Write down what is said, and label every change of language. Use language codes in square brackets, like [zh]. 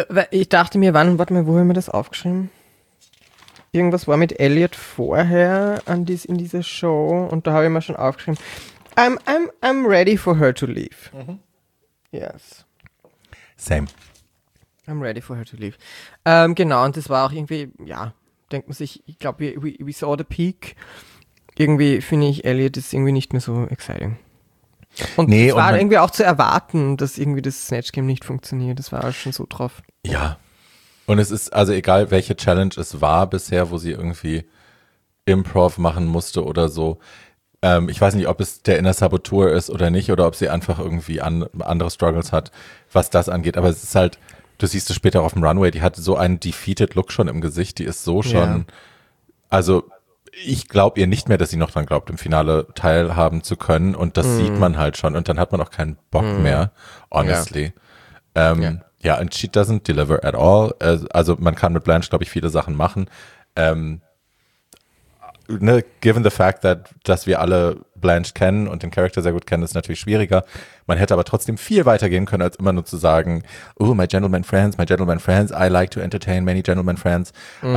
[de] Ich dachte mir, wo haben wir das aufgeschrieben? Irgendwas war mit Elliot vorher in dieser Show und da habe ich mir schon aufgeschrieben. [en] I'm ready for her to leave. Mhm. Yes. Same. I'm ready for her to leave. [de] Genau, und das war auch irgendwie, ja, denkt man sich, ich glaube, we saw the peak. Irgendwie finde ich, Elliot ist irgendwie nicht mehr so exciting. Und es war irgendwie auch zu erwarten, dass irgendwie das Snatch Game nicht funktioniert. Das war auch schon so drauf. Ja. Und es ist, also egal, welche Challenge es war bisher, wo sie irgendwie Improv machen musste oder so. Ich weiß nicht, ob es der Inner Saboteur ist oder nicht, oder ob sie einfach irgendwie andere Struggles hat, was das angeht. Aber es ist halt, du siehst es später auf dem Runway, die hat so einen defeated Look schon im Gesicht. Die ist so schon, also ich glaube ihr nicht mehr, dass sie noch dran glaubt, im Finale teilhaben zu können. Und das sieht man halt schon. Und dann hat man auch keinen Bock mehr, honestly. [en] Ja, and she doesn't deliver at all. [de] Also man kann mit Blanche, glaube ich, viele Sachen machen. Ne, given the fact that, dass wir alle Blanche kennen und den Charakter sehr gut kennen, ist natürlich schwieriger. Man hätte aber trotzdem viel weiter gehen können, als immer nur zu sagen, oh, my gentleman friends, I like to entertain many gentleman friends. Mhm.